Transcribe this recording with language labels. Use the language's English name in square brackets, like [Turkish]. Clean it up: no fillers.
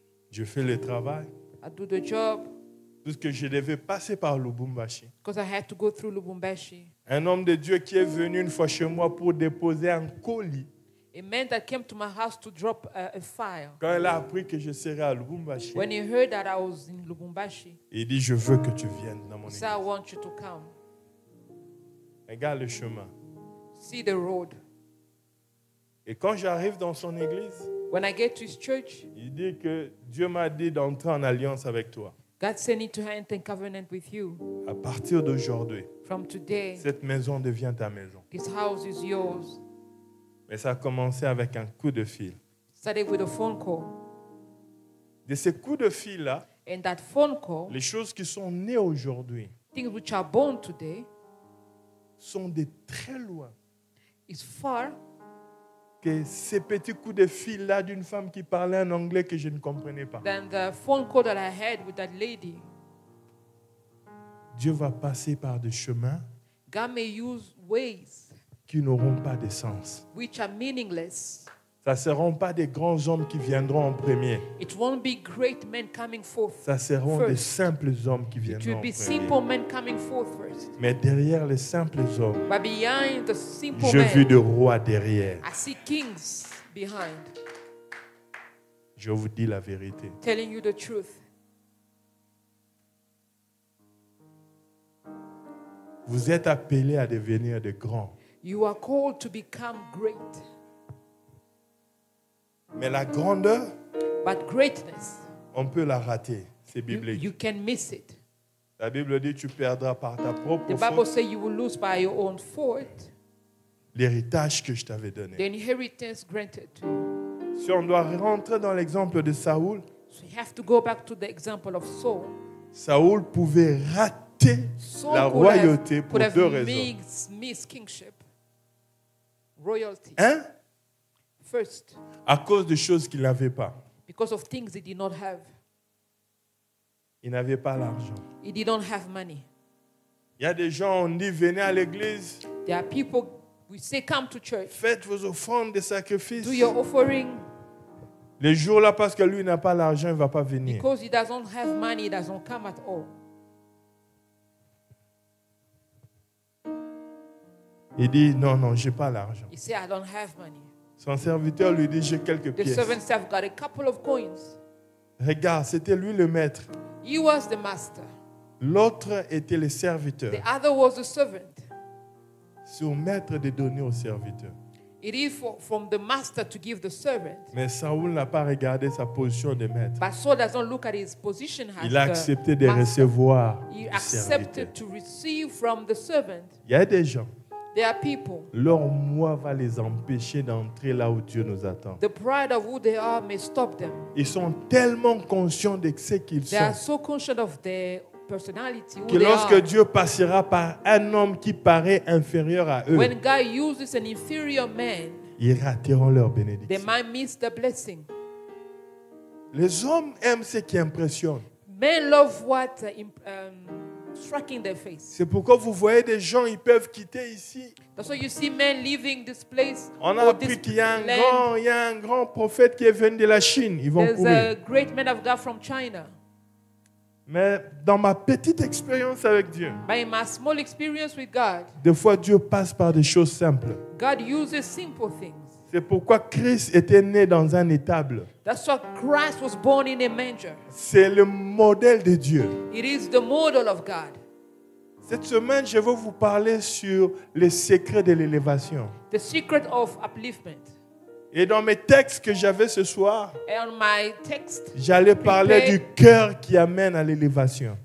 [French] Je fais le travail. [English] I do the job. [French] Parce que je devais passer par Lubumbashi. [English] Because I had to go through Lubumbashi. [French] Un homme de Dieu qui est venu une fois chez moi pour déposer un colis. [English] A man that came to my house to drop a file. [French] Quand il a appris que je serai à Lubumbashi. [English] When he heard that I was in Lubumbashi. [French] Il dit, je veux que tu viennes dans mon [English] église. So I want you to come. [French] Regarde le chemin. [English] See the road. [French] Et quand j'arrive dans son église. [English] When I get to his church. [French] Il dit que Dieu m'a dit d'entrer en alliance avec toi. [English] God sent me to enter in covenant with you. [French] À partir d'aujourd'hui. [English] From today. [French] Cette maison devient ta maison. [English] This house is yours. [French] Mais ça a commencé avec un coup de fil. [English] Started with a phone call. [French] De ce coup de fil-là, [English] and that phone call, [French] les choses qui sont nées aujourd'hui, [English] things which are born today, [French] sont de très loin. [English] It's far. [French] Que ces petits coups de fil-là d'une femme qui parlait un anglais que je ne comprenais pas. [English] Than the phone call that I had with that lady. [French] Dieu va passer par des chemins. [English] God may use ways. [French] Qui n'auront pas de sens. [English] Which are meaningless. [French] Ça ne seront pas des grands hommes qui viendront en premier. [English] It won't be great men coming forth. [French] Ça seront [English] first. [French] Des simples hommes qui viendront [English] it will be [French] en premier. [English] Simple men coming forth first. [French] Mais derrière les simples hommes, [English] but behind the simple [French] je vis des rois derrière. [English] I see kings behind. [French] Je vous dis la vérité. [English] Telling you the truth. [French] Vous êtes appelés à devenir des grands. [English] You are called to become great. [French] Mais la grandeur, [English] but greatness, [French] on peut la rater, c'est biblique. [English] You can miss it. [French] La Bible dit tu perdras par ta propre faute. [English] The Bible says you will lose by your own fault. [French] L'héritage que je t'avais donné. [English] The inheritance granted. [French] Si on doit rentrer dans l'exemple de Saul, [English] so you have to go back to the example of Saul. [French] Saul pouvait rater [English] Saul [French] la royauté pour deux raisons. [English] Miss kingship. Royalty. Hein? First. [French] À cause de choses qu'il n'avait pas. [English] Because of things he did not have. [French] Il n'avait pas l'argent. [English] He did not have money. [French] Il y a des gens on dit venez à l'église. [English] There are people we say come to church. [French] Faites vos offrandes de sacrifice. [English] Do your offering. [French] Les jours là parce que lui n'a pas l'argent il va pas venir. [English] Because he doesn't have money he doesn't come at all. [French] Il dit, non, non, je n'ai pas l'argent. [English] He said, I don't have money. [French] Son serviteur lui dit, j'ai quelques pièces. [English] The servant's staff got a couple of coins. [French] Regarde, c'était lui le maître. [English] He was the master. [French] L'autre était le serviteur. [English] The other was the servant. [French] C'est au maître de donner au serviteur. [English] It is from the master to give the servant. [French] Mais Saul n'a pas regardé sa position de maître. [English] But Saul doesn't look at his position as [French] il a accepté de recevoir du serviteur. [English] He accepted to receive from the servant. [French] Il y a des gens. [English] There are people. [French] Leur moi va les empêcher d'entrer là où Dieu nous attend. [English] The pride of who they are may stop them. [French] Ils sont tellement conscients de ce qu'ils [English] they [French] sont. [English] They are so conscious of their personality, [French] que lorsque Dieu passera par un homme qui paraît inférieur à eux, [English] when God uses an inferior man, [French] ils rateront leur bénédiction. [English] They might miss the blessing. [French] Les hommes aiment ce qui impressionne. [English] Men love what striking their face. [French] C'est pourquoi vous voyez des gens, ils peuvent quitter ici. [English] That's why you see men leaving this place. [French] On a appris qu'il y a un grand prophète qui est venu de la Chine. Ils vont [English] courir. There's a great man of God from China. [French] Mais dans ma petite expérience avec Dieu, [English] by my small experience with God, [French] des fois Dieu passe par des choses simples. [English] God uses simple things. [French] C'est pourquoi Christ était né dans un étable. [English] That's why Christ was born in a manger. [French] C'est le modèle de Dieu. [English] It is the model of God. [French] Cette semaine, je veux vous parler sur le secret de l'élévation. [English] The secret of upliftment. [French] Et dans mes textes que j'avais ce soir, [English] text, [French] j'allais parler du cœur qui amène à l'élévation.